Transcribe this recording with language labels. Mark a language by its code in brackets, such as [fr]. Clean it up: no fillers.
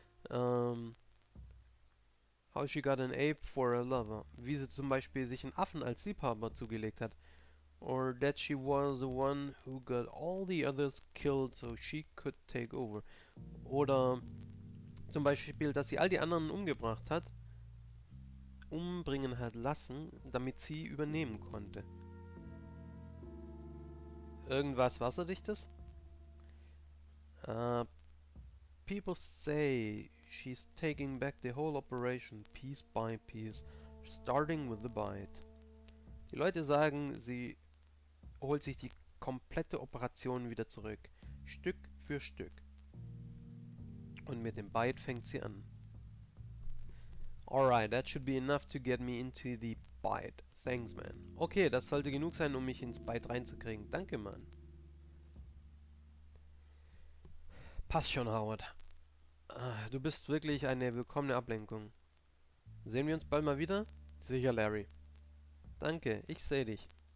[en] How she got an ape for a lover. [de] Wie sie zum Beispiel sich einen Affen als Liebhaber zugelegt hat. [en] Or that she was the one who got all the others killed, so she could take over. [de] Oder zum Beispiel, dass sie all die anderen umgebracht hat, umbringen hat lassen, damit sie übernehmen konnte. Irgendwas wasserdichtes? [en] People say she's taking back the whole operation piece by piece, starting with the bite. [de] Die Leute sagen, sie holt sich die komplette Operation wieder zurück, Stück für Stück. Und mit dem Bite fängt sie an. [en] Alright, that should be enough to get me into the Bite. Thanks, man. [de] Okay, das sollte genug sein, um mich ins Bite reinzukriegen. Danke, Mann. Passt schon, Howard. Du bist wirklich eine willkommene Ablenkung. Sehen wir uns bald mal wieder? Sicher, Larry. Danke, ich sehe dich.